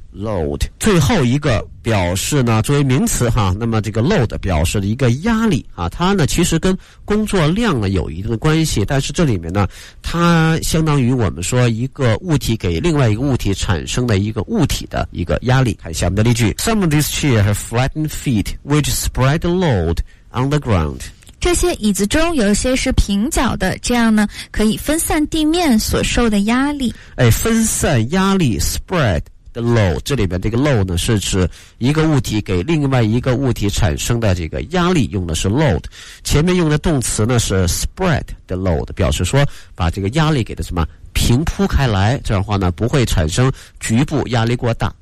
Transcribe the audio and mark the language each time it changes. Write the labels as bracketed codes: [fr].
[zh] load 最后一个表示呢作为名词哈，那么这个 load 表示的一个压力啊，它呢其实跟工作量呢有一定的关系，但是这里面呢它相当于我们说一个物体给另外一个物体产生的一个物体的一个压力。看下面的例句， [en] Some of these chairs have flattened feet which spread the load on the ground。 [zh] 这些椅子中有些是平脚的，这样呢可以分散地面所受的压力。分散压力 [en] spread the load， [zh] 这里面这个 load 呢是指一个物体给另外一个物体产生的这个压力，用的是 load。前面用的动词呢是 [en] spread the load， [zh] 表示说把这个压力给它什么平铺开来，这样的话呢不会产生局部压力过大。